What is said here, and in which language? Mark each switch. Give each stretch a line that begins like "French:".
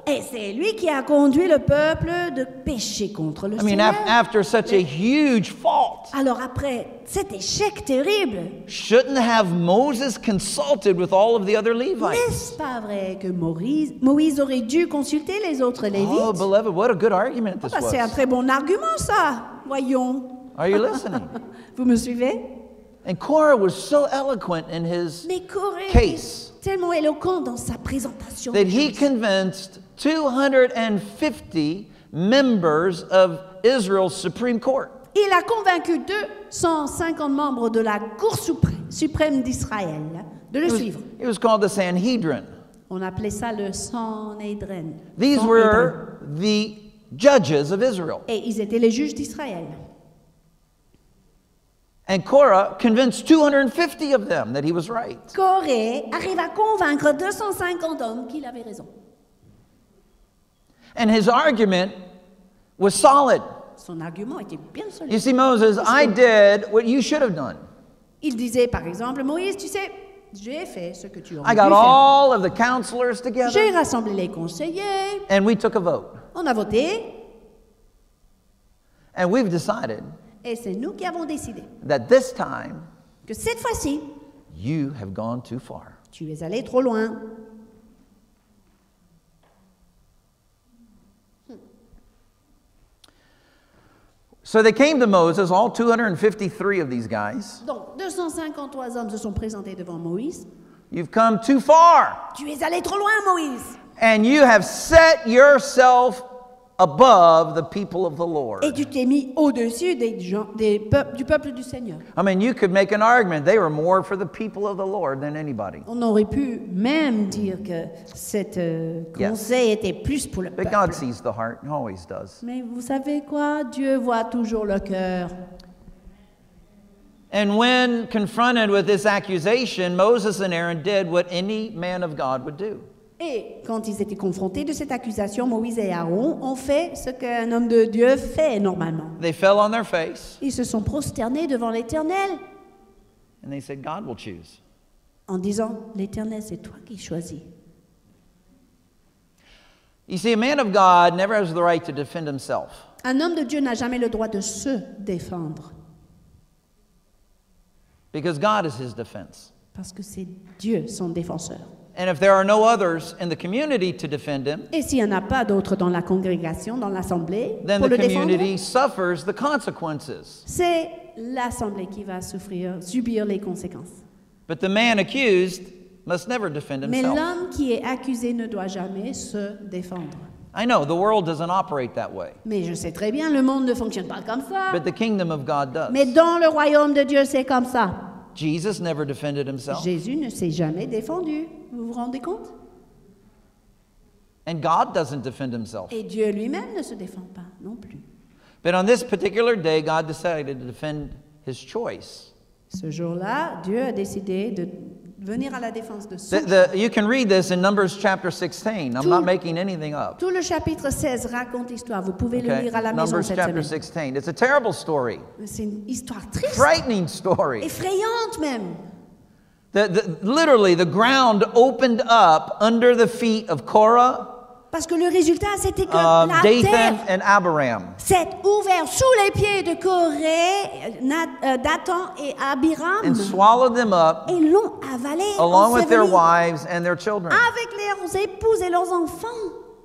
French: Et c'est lui qui a conduit le peuple de pécher contre le Seigneur.
English: I mean, after such a huge fault.
French: Alors après cet échec terrible.
English: Shouldn't have Moses consulted with all of the other Levites?
French: N'est-ce pas vrai que Moïse aurait dû consulter les autres Lévites?
English: Oh, beloved, what a good argument this was.
French: C'est un très bon argument ça. Voyons.
English: Are you listening?
French: Vous me suivez?
English: And Korah was so eloquent in his case.
French: Tellement éloquent dans sa présentation.
English: That he convinced 250 members of Israel's Supreme Court.
French: Il a convaincu 250 membres de la Cour suprême d'Israël de le suivre.
English: It was called the Sanhedrin.
French: On appelait ça le Sanhedrin.
English: These were the judges of Israel.
French: Et ils étaient les juges d'Israël.
English: And Korah convinced 250 of them that he was right.
French: Korah arrive à convaincre 250 hommes qu'il avait raison.
English: And his argument was solid.
French: Son argument était bien solide.
English: You see, Moses, I did what you should have done.
French: Il disait par exemple, Moïse, tu sais, j'ai fait ce que tu aurais dû.
English: I got all of the counselors together.
French: J'ai rassemblé les conseillers.
English: And we took a vote.
French: On a voté.
English: And we've decided.
French: Et c'est nous qui avons décidé
English: that this time,
French: que cette fois-ci,
English: you have gone too far.
French: Tu es allé trop loin.
English: So they came to Moses, all 253 of these guys.
French: Donc, 253 hommes se sont présentés devant Moïse.
English: You've come too far.
French: Tu es allé trop loin, Moïse.
English: And you have set yourself above the people of the Lord.
French: Et tu t'es mis au-dessus du peuple du Seigneur.
English: I mean, you could make an argument they were more for the people of the Lord than anybody.
French: On aurait pu même dire que cette conseil était plus pour le peuple.
English: But God sees the heart, he always does.
French: Mais vous savez quoi? Dieu voit toujours le cœur.
English: And when confronted with this accusation, Moses and Aaron did what any man of God would do.
French: Et quand ils étaient confrontés de cette accusation, Moïse et Aaron ont fait ce qu'un homme de Dieu fait normalement.
English: They fell on their face.
French: Ils se sont prosternés devant l'Éternel.
English: And they said, God will choose.
French: En disant, l'Éternel, c'est toi qui choisis.
English: You see, a man of God never has the right to defend himself.
French: Un homme de Dieu n'a jamais le droit de se défendre.
English: Because God is his defense.
French: Parce que c'est Dieu son défenseur.
English: And if there are no others in the community to defend him,
French: et s'il y en a pas d'autres dans la congrégation, dans l'assemblée,
English: then
French: pour
English: the
French: le
English: community
French: défendre,
English: suffers the consequences.
French: C'est l'assemblée qui va subir les conséquences.
English: But the man accused must never defend himself.
French: Mais l'homme qui est accusé ne doit jamais se défendre.
English: I know, the world doesn't operate that way.
French: Mais je sais très bien, le monde ne fonctionne pas comme ça.
English: But the kingdom of God does.
French: Mais dans le royaume de Dieu, c'est comme ça.
English: Jesus never defended himself.
French: Jésus ne s'est jamais défendu. Vous vous rendez compte?
English: And God doesn't defend himself.
French: Et Dieu lui-même ne se défend pas non plus.
English: But on this particular day, God decided to defend his choice.
French: Ce jour-là, Dieu a décidé de venir à la défense de son
English: You can read this in Numbers chapter 16. I'm not making anything up.
French: Tout le chapitre 16 raconte l'histoire. Vous pouvez le lire à la maison
English: Numbers
French: cette
English: chapter
French: semaine.
English: 16. It's a terrible story.
French: C'est une histoire triste.
English: Frightening story.
French: Effrayante même.
English: Literally, the ground opened up under the feet of Korah.
French: Parce que le résultat, c'était que la terre
English: Abiram,
French: s'est ouvert sous les pieds de Korah, Dathan et Abiram,
English: and swallowed them up,
French: et l'ont avalé,
English: along with their wives and their children,
French: avec leurs épouses et leurs enfants.